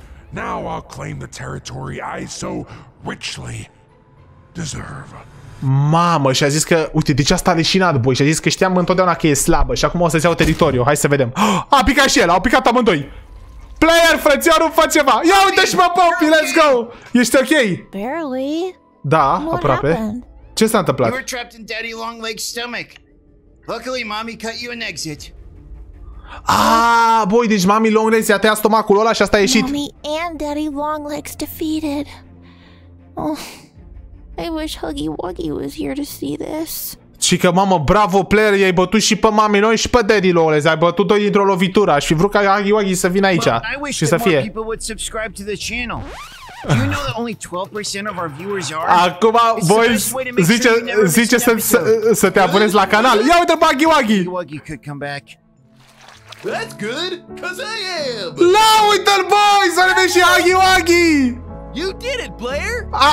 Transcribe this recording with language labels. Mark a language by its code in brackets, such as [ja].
[en] Now I'll claim the territory I so richly deserve. [ro] Mamă, și a zis că, uite, de ce asta a leșinat, boi? Și a zis că știam întotdeauna că e slabă și acum o să-ți iau teritoriu. Hai să vedem. Oh, a picat și el, au picat amândoi. Player, frățiorul, fă ceva. Ia uite-și, mă, Poppy, [en] let's go. [ro] Ești ok? [en] Barely. [ro] Da, aproape. Ce s-a întâmplat? [en] You were trapped in Daddy Longlegs' stomach. Luckily, mommy cut you an exit. [ro] Ah, boy, deci mommy Longlegs i-a tăiat stomacul ăla și asta a ieșit. [en] Mommy and Daddy Longlegs defeated. Oh, I wish Huggy Wuggy was here to see this. [ro] Chica, mamă, bravo, player, i-ai bătut și pe mami noi și pe Daddy Longlegs. Ai bătut doi dintr-o lovitură. Aș fi vrut ca Huggy Wuggy să vină aici și să fie. [en] People would subscribe to the channel. Do you know that only 12% of our viewers are? [ro] Acum voi zice să te abonezi la canal. Ia uite [en] Huggy Wuggy. Huggy could come back. That's good, cause I am. [ro] La uite-l, boys, a revenit și Huggy Wuggy. [en] You did it, player.